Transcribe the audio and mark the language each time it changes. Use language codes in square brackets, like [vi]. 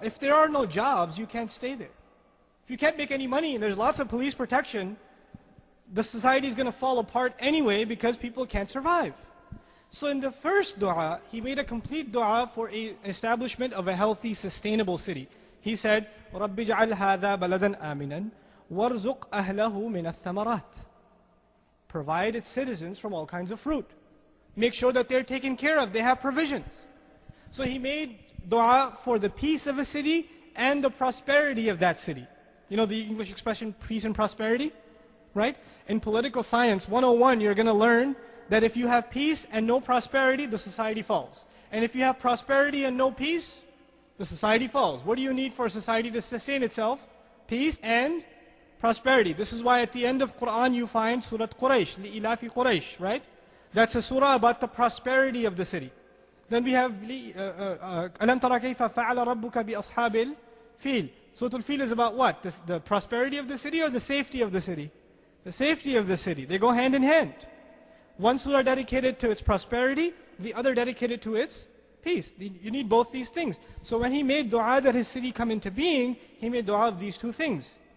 [en] If there are no jobs, you can't stay there. If you can't make any money and there's lots of police protection, the society is going to fall apart anyway because people can't survive. So in the first dua, he made a complete dua for an establishment of a healthy, sustainable city. He said, [ar] رَبِّ جَعَلْ هَذَا بَلَدًا آمِنًا وَارْزُقْ أَهْلَهُ مِنَ الثَّمَرَاتِ. [en] Provide its citizens from all kinds of fruit. Make sure that they're taken care of, they have provisions. So he made dua for the peace of a city and the prosperity of that city. You know the English expression, peace and prosperity? Right? In political science 101, you're going to learn that if you have peace and no prosperity, the society falls. And if you have prosperity and no peace, the society falls. What do you need for a society to sustain itself? Peace and prosperity. This is why at the end of Quran you find Surah Quraysh, [ar] لِإِلَافِ [en] Quraysh, right? That's a surah about the prosperity of the city. Then we have [ar] أَلَمْ تَرَى كَيْفَ فَعَلَ رَبُّكَ بِأَصْحَابِ الْفِيلِ. [en] Surah Al-Fil is about what? The prosperity of the city or the safety of the city? The safety of the city. They go hand in hand. One surah dedicated to its prosperity, the other dedicated to its peace. You need both these things. So when he made dua that his city come into being, he made dua of these two things.